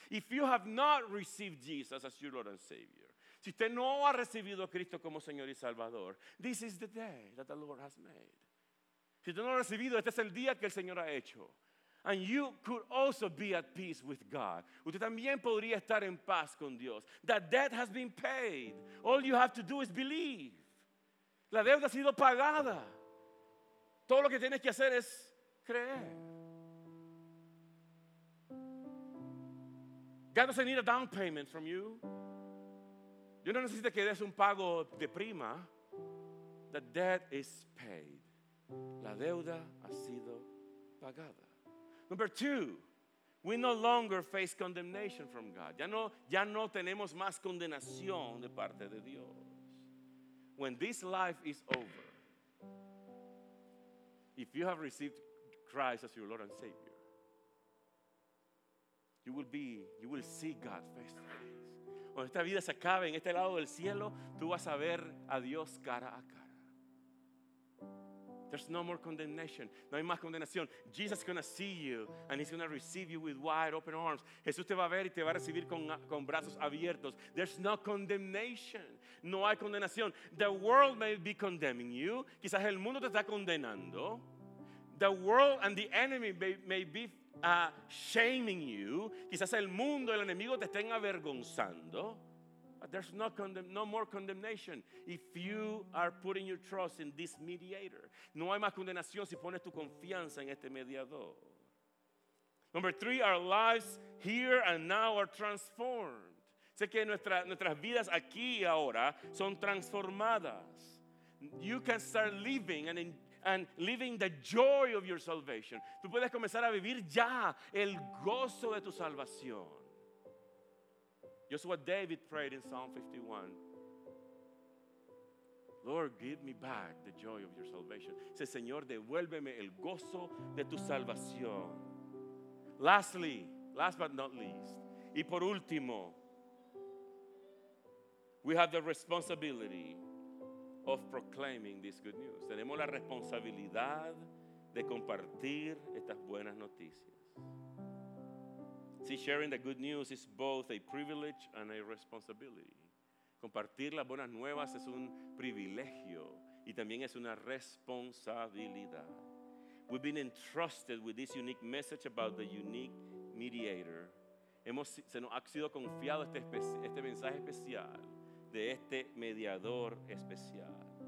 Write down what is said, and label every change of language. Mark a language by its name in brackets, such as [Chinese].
[English] If you have not received Jesus as your Lord and Savior, [Spanish] si usted no ha recibido a Cristo como Señor y Salvador, [English] this is the day that the Lord has made. [Spanish] Si tú no has recibido, este es el día que el Señor ha hecho. [English] And you could also be at peace with God. [Spanish] Usted también podría estar en paz con Dios. [English] That debt has been paid. All you have to do is believe. [Spanish] La deuda ha sido pagada. Todo lo que tienes que hacer es creer. [English] God doesn't need a down payment from you. [Spanish] Yo no necesito que des un pago de prima. [English] The debt is paid. [Spanish] La deuda ha sido pagada. [English] Number two, we no longer face condemnation from God. [Spanish] Ya no tenemos más condenación de parte de Dios. [English] When this life is over, if you have received Christ as your Lord and Savior, you will see God face to face. [Spanish] Cuando esta vida se acabe en este lado del cielo, tú vas a ver a Dios cara a cara. [English] There's no more condemnation. [Spanish] No hay más condenación. [English] Jesus is going to see you and he's going to receive you with wide open arms. [Spanish] Jesús te va a ver y te va a recibir con brazos abiertos. [English] There's no condemnation. [Spanish] No hay condenación. [English] The world may be condemning you. [Spanish] Quizás el mundo te está condenando. [English] The world and the enemy may be shaming you. [Spanish] Quizás el mundo, el enemigo te estén avergonzando. [English] But there's no more condemnation if you are putting your trust in this mediator. [Spanish] No hay más condenación si pones tu confianza en este mediador. [English] Number three, our lives here and now are transformed. [Spanish] Sé que nuestras vidas aquí y ahora son transformadas. [English] You can start living and living the joy of your salvation. [Spanish] Tú puedes comenzar a vivir ya el gozo de tu salvación. [English] Just what David prayed in Psalm 51. Lord, give me back the joy of your salvation. [Spanish] Dice, Señor, devuélveme el gozo de tu salvación. [English] Lastly, last but not least, [Spanish] y por último, [English] we have the responsibility of proclaiming this good news. [Spanish] Tenemos la responsabilidad de compartir estas buenas noticias. [English] See, sharing the good news is both a privilege and a responsibility. [Spanish] Compartir las buenas nuevas es un privilegio y también es una responsabilidad. [English] We've been entrusted with this unique message about the unique mediator. [Spanish] Se nos ha sido confiado este mensaje especial de este mediador especial.